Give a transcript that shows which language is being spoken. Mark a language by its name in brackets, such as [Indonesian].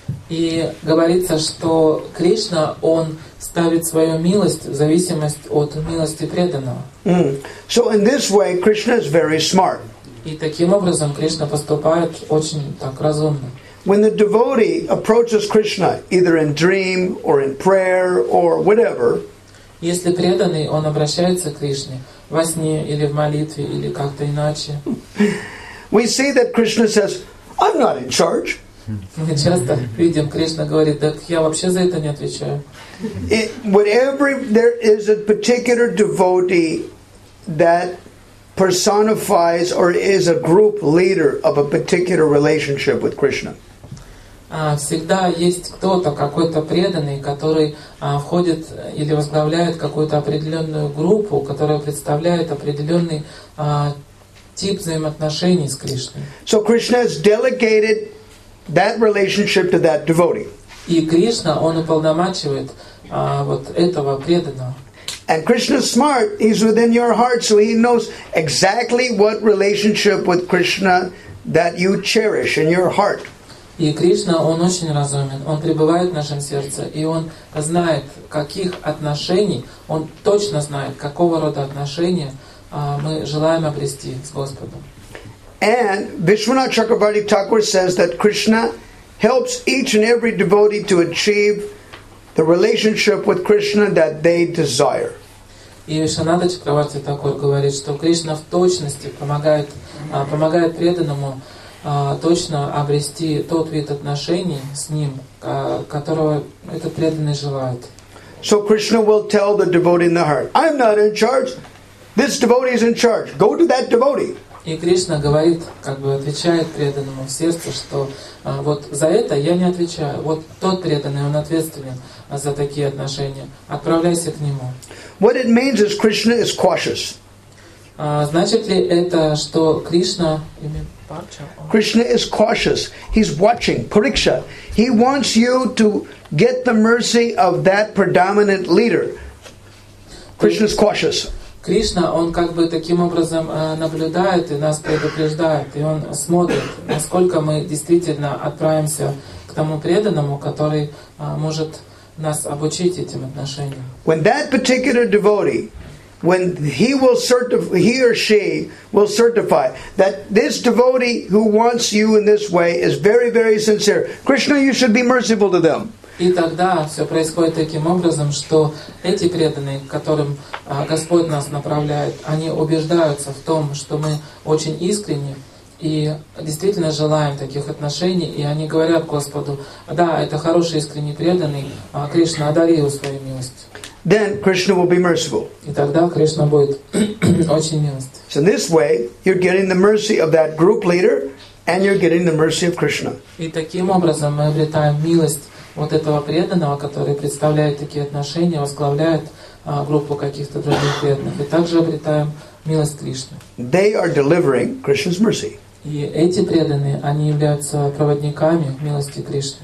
[Russian] И говорится, что Кришна, он ставит свою милость в зависимость от милости преданного. Mm. [English] So in this way, Krishna is very smart. [Russian] И таким образом Кришна поступает очень так разумно. [English] When the devotee approaches Krishna, either in dream or in prayer or whatever, [Russian] если преданный, он обращается к Кришне во сне или в молитве или как-то иначе, [English] we see that Krishna says, "I'm not in charge." [Russian] Мы часто видим, Кришна говорит, так я вообще за это не отвечаю. [English] Whatever there is a particular devotee that personifies or is a group leader of a particular relationship with Krishna. [Russian] всегда есть кто-то, какой-то преданный, который входит или возглавляет какую-то определенную группу, которая представляет определенный тип взаимоотношений с Кришной. [English] So Krishna has delegated that relationship to that devotee. [Russian] И Кришна, он уполномачивает вот этого преданного. [English] And Krishna's smart, he's within your heart, so he knows exactly what relationship with Krishna that you cherish in your heart. [Russian] И Кришна, он очень разумен, он пребывает в нашем сердце, и он знает, каких отношений, он точно знает, какого рода отношения мы желаем обрести с Господом. [English] And Vishwanath Chakravarti Thakur says that Krishna helps each and every devotee to achieve the relationship with Krishna that they desire. [Russian] И Вишванатха Чакраварти Такур говорит, что Кришна в точности помогает преданному точно обрести тот вид отношений с ним, которого этот преданный желает. [English] So Krishna will tell the devotee in the heart, I'm not in charge. This devotee is in charge. Go to that devotee. [Russian] И Кришна говорит, как бы отвечает преданному в сердце, что вот за это я не отвечаю. Вот тот преданный, он ответственен за такие отношения. Отправляйся к нему. [English] What it means is Krishna is cautious. [Russian] Значит ли это, что Кришна... [English] Krishna is cautious. He's watching. Pariksha. He wants you to get the mercy of that predominant leader. Krishna is cautious. [Russian] Кришна, он как бы таким образом наблюдает и нас предупреждает, и он смотрит, насколько мы действительно отправимся к тому преданному, который может нас обучить этим отношениям. [English] When that particular devotee, when he or she will certify that this devotee who wants you in this way is very, very sincere, Krishna, you should be merciful to them. [Russian] И тогда все происходит таким образом, что эти преданные, к которым Господь нас направляет, они убеждаются в том, что мы очень искренни и действительно желаем таких отношений, и они говорят Господу, да, это хороший искренний преданный, Кришна, одари его своей милостью. [English] Then Krishna will be merciful. [Russian] И тогда Кришна будет очень милостив. [English] So in this way, you're getting the mercy of that group leader, and you're getting the mercy of Krishna. [Russian] И таким образом мы обретаем милость вот этого преданного, который представляет такие отношения, возглавляет группу каких-то других преданных. И также обретаем милость Кришны. [English] They are delivering Krishna's mercy. [Russian] И эти преданные, они являются проводниками милости Кришны.